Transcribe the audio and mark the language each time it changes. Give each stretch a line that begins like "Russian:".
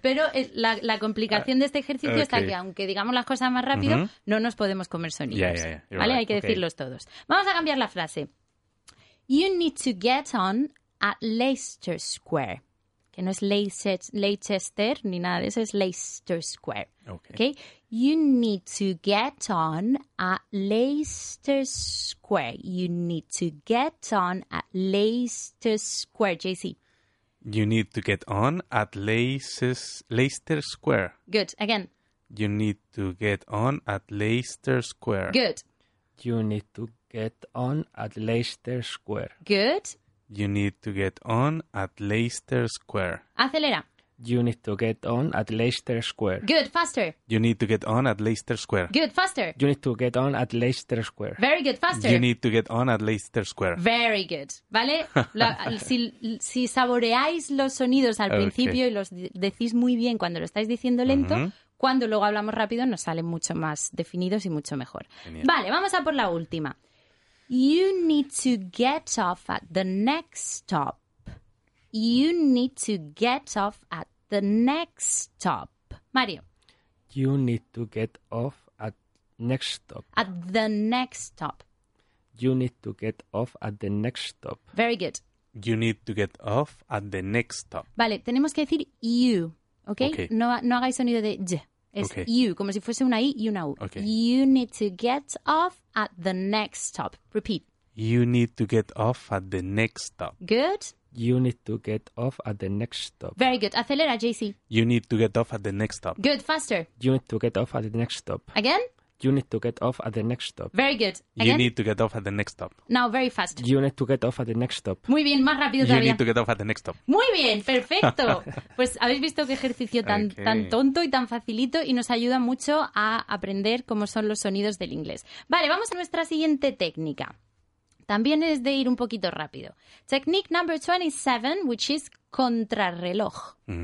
Spanish: Pero la complicación de este ejercicio está que aunque digamos las cosas más rápido, no nos podemos comer sonidos.
English: Yeah.
Spanish: ¿Vale? Right. Hay que decirlos todos. Vamos a cambiar la frase.
English: You need to get on at Leicester Square.
Spanish: Que no es Leicester ni nada de eso, es Leicester Square.
English: Okay. You need to get on at Leicester Square. You need to get on at Leicester Square. JC. You need to get on at Leicester Square. Good. Again. You need to get on at Leicester Square. Good. You need to get on at Leicester Square. Good. You need to get on at Leicester Square.
Spanish: Acelera.
English: You need to get on at Leicester Square. Good, faster. You need to get on at Leicester Square. Good, faster. You need to get on at Leicester Square. Very good, faster. You need to get on at Leicester Square. Very good. ¿Vale?
Spanish: si saboreáis los sonidos al principio y los decís muy bien cuando lo estáis diciendo lento, cuando luego hablamos rápido nos salen mucho más definidos y mucho mejor. Genial. Vale, vamos a por la última.
English: You need to get off at the next stop. You need to get off at the next stop. Mario. You need to get off at next stop. At the next stop. You need to get off at the next stop. Very good. You need to get off at the next stop.
Spanish: Vale, tenemos que decir
English: you,
Spanish: ¿ok?
English: Okay.
Spanish: No hagáis sonido de j. Es you, como si fuese una i y una u.
English: Okay. You need to get off at the next stop. Repeat. You need to get off at the next stop. Good. You need to get off at the next stop. Very good. Acelera, JC. You need to get off at the next stop. Good. Faster. You need to get off at the next stop. Again? You need to get off at the next stop. Very good. Again? You need to get off at the next stop. Now, very fast. You need to get off at the next stop.
Spanish: Muy bien. Más rápido todavía.
English: You need to get off at the next stop.
Spanish: Muy bien. Perfecto. Pues habéis visto qué ejercicio tan tonto y tan facilito y nos ayuda mucho a aprender cómo son los sonidos del inglés. Vale, vamos a nuestra siguiente técnica. También es de ir un poquito rápido.
English: Technique number 27, which is contrarreloj.